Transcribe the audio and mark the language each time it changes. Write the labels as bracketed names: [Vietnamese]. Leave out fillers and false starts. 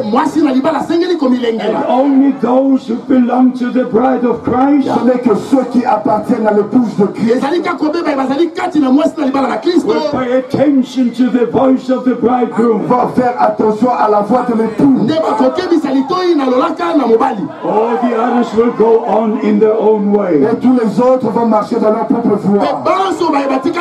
[English] And only those who belong to the bride of Christ. [French] Ce n'est que ceux qui appartiennent à l'épouse de Christ. [English] Will pay attention to the voice of the bridegroom. [French] Va faire attention à la voix de l'époux. [English] All the others will go on in their own way. [French] Et tous les autres vont marcher dans leur propre voie.